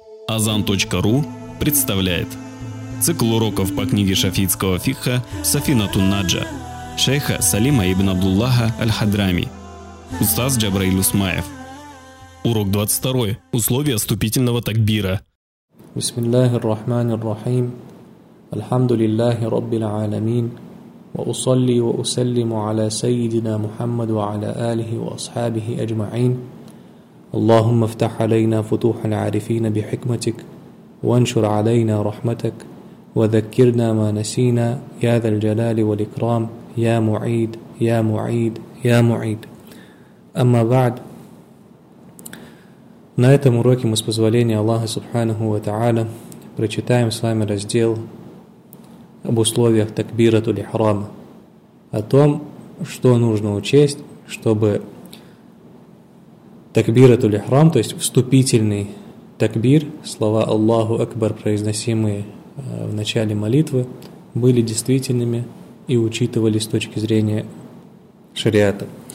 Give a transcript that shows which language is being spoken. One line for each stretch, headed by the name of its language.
Russian: Azan.ru представляет цикл уроков по книге шафиитского фикха Сафина Тунаджа шейха Салима ибн Абдуллаха Аль-Хадрами, устаз Джабраиль Усмаев. Урок 22. Условия вступительного такбира.
Arabic: Бисмиллахир рахманир рахим. Альхамдулиллахи раббил аалямин. Ва усалли ва усаллиму аля сайидина Мухаммаду аля алихи ва асхабихи аджмаин. اللهم افتح علينا فتوح العارفين بحكمتك وانشر علينا رحمتك وذكرنا ما نسينا يا ذا الجلال والإكرام يا معيد يا معيد يا معيد. أما بعد,
Russian: на этом уроке мы с позволения Аллаха Субханаху ва Тааля прочитаем с вами раздел об условиях такбирату лихрама, о том, что нужно учесть, чтобы такбиратул ихрам, то есть вступительный такбир, слова «Аллаху Акбар», произносимые в начале молитвы, были действительными и учитывались с точки зрения шариата.